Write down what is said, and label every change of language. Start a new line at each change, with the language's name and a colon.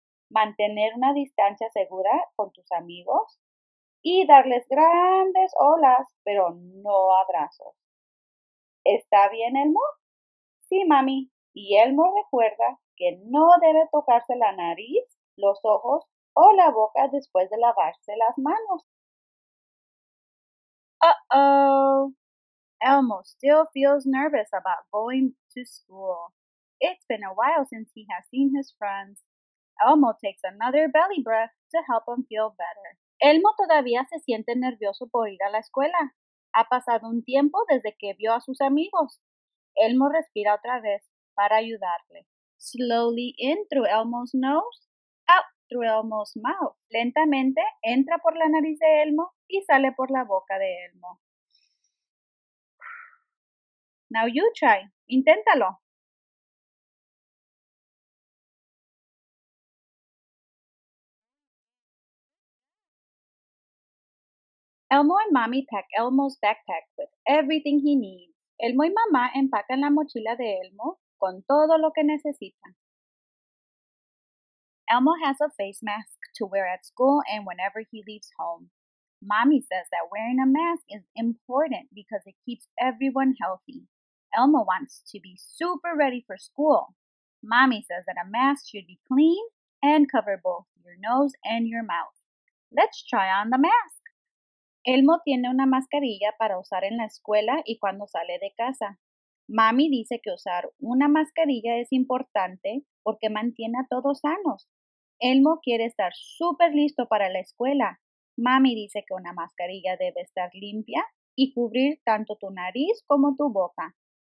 Spanish: Mantener una distancia segura con tus amigos y darles grandes olas, pero no abrazos. ¿Está bien, Elmo? Sí, mami. Y Elmo recuerda que no debe tocarse la nariz, los ojos o la boca después de lavarse las manos. Uh-oh.
English: Elmo still feels nervous about going to school. It's been a while since he has seen his friends. Elmo takes another belly breath to help him feel better.
Spanish: Elmo todavía se siente nervioso por ir a la escuela. Ha pasado un tiempo desde que vio a sus amigos. Elmo respira otra vez para ayudarle.
English: Slowly in through Elmo's nose, out through Elmo's mouth.
Spanish: Lentamente entra por la nariz de Elmo y sale por la boca de Elmo.
English: Now you try.
Spanish: Inténtalo.
English: Elmo and Mommy pack Elmo's backpack with everything he needs.
Spanish: Elmo y Mamá empacan la mochila de Elmo con todo lo que necesitan.
English: Elmo has a face mask to wear at school and whenever he leaves home. Mommy says that wearing a mask is important because it keeps everyone healthy. Elmo wants to be super ready for school. Mommy says that a mask should be clean and cover both your nose and your mouth. Let's try on the mask.
Spanish: Elmo tiene una mascarilla para usar en la escuela y cuando sale de casa. Mami dice que usar una mascarilla es importante porque mantiene a todos sanos. Elmo quiere estar súper listo para la escuela. Mami dice que una mascarilla debe estar limpia y cubrir tanto tu nariz como tu boca.